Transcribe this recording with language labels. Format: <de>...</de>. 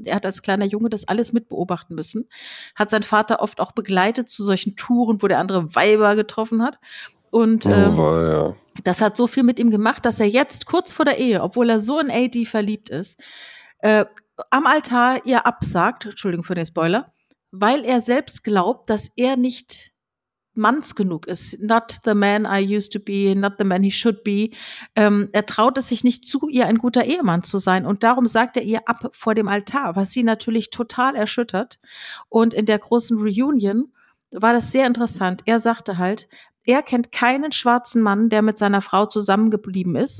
<de>Er hat als kleiner Junge das alles mitbeobachten müssen. Hat seinen Vater oft auch begleitet zu solchen Touren, wo der andere Weiber getroffen hat. Und das hat so viel mit ihm gemacht, dass er jetzt kurz vor der Ehe, obwohl er so in AD verliebt ist, am Altar ihr absagt, Entschuldigung für den Spoiler, weil er selbst glaubt, dass er nicht manns genug ist.</de> <en>Not the man I used to be, not the man he should be.</en> <de>Er traut es sich nicht zu, ihr ein guter Ehemann zu sein. Und darum sagt er ihr ab vor dem Altar, was sie natürlich total erschüttert. Und in der großen Reunion war das sehr interessant. Er sagte halt, er kennt keinen schwarzen Mann, der mit seiner Frau zusammengeblieben ist.</de>